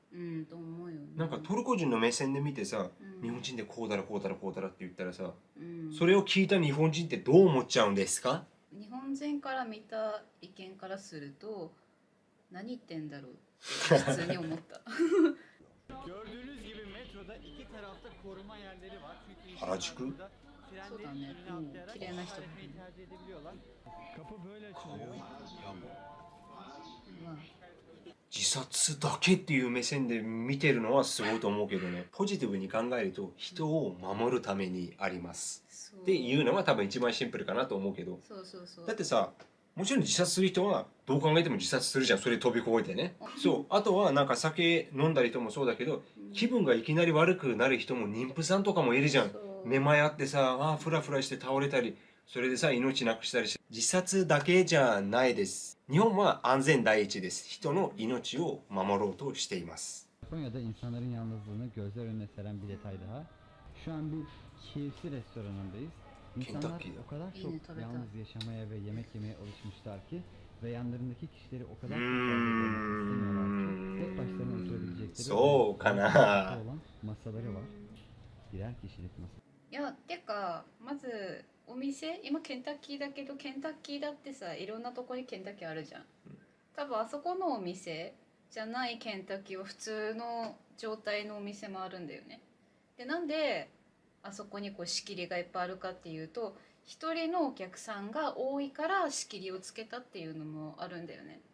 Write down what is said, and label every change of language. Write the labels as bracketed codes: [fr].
[ja] うん、と思うよね。なんかトルコ人の目線で見てさ、日本人でこうだらこうだらこうだらって言ったらさ、うん、それを聞いた日本人ってどう思っちゃうんですか？日本人から見た意見からすると、何言ってんだろうって普通に思った。 [tr] Gördüğünüz gibi metroda iki tarafta koruma yerleri var. [ja] Harajuku. そうだね。綺麗な人。 [tr] Kapı böyle açılıyor. Ya bu. [ja] 自殺だけっていう目線で見てるのはすごいと思うけどね。ポジティブに考えると、人を守るためにありますっていうのは多分一番シンプルかなと思うけど。そうそうそう。だってさ、もちろん自殺する人はどう考えても自殺するじゃん、それ飛び越えてね。そう、あとはなんか酒飲んだりともそうだけど、気分がいきなり悪くなる人も、妊婦さんとかもいるじゃん。めまいあってさ、あフラフラして倒れたり、それでさ命なくしたりして、自殺だけじゃないです。日本は安全第一です。人の命を守ろうとしています。今夜で [tr] insanların yalnızlığını gözler önüne seren bir detay daha. Şu an bir KFC restoranındayız. İnsanlar o kadar çok yalnız yaşamaya ve yemek yemeye alışmışlar ki ve yanlarındaki kişileri o kadar çok fazla görmek istemiyorlar ki, tek başlarına oturabilecekleri olan masaları var. Birer kişilik masa. [ja] Ya te ka, mazı お店、今ケンタッキーだけど、ケンタッキーだってさ、いろんなとこにケンタッキーあるじゃん。多分あそこのお店じゃないケンタッキーは普通の状態のお店もあるんだよね。で、なんであそこにこう仕切りがいっぱいあるかっていうと、一人のお客さんが多いから仕切りをつけたっていうのもあるんだよね。